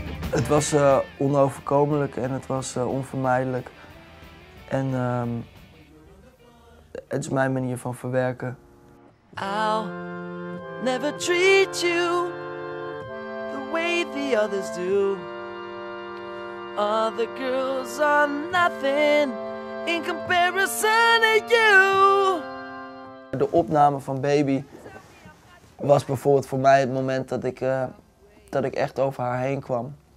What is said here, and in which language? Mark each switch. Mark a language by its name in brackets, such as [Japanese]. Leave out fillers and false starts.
[Dutch] Het was onoverkomelijk en het was onvermijdelijk. En het is mijn manier van verwerken. [English] I'll never treat you the way the others do. Other girls are nothing in comparison to you. [Dutch] De opname van Baby was bijvoorbeeld voor mij het moment dat ik echt over haar heen kwam.